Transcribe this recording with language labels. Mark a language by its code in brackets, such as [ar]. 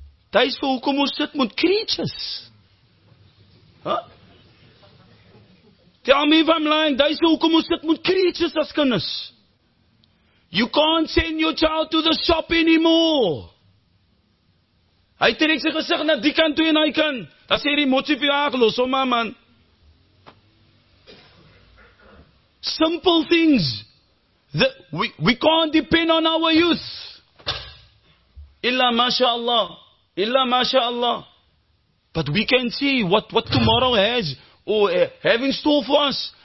[af] Daai is vir hoekom ons sit met creatures. Huh? [en] Tell me if I'm lying. [af] Daai is vir hoekom ons sit met creatures as kinders. [en] You can't send your child to the shop anymore. [af] Hy trek sy gesig na die kant toe en hy kan. Dan sê die motsie vir haar, "Los hom maar, man." [en] Simple things that we can't depend on our youth. Illa mashallah. Illa mashallah. But we can see what tomorrow has or have in store for us.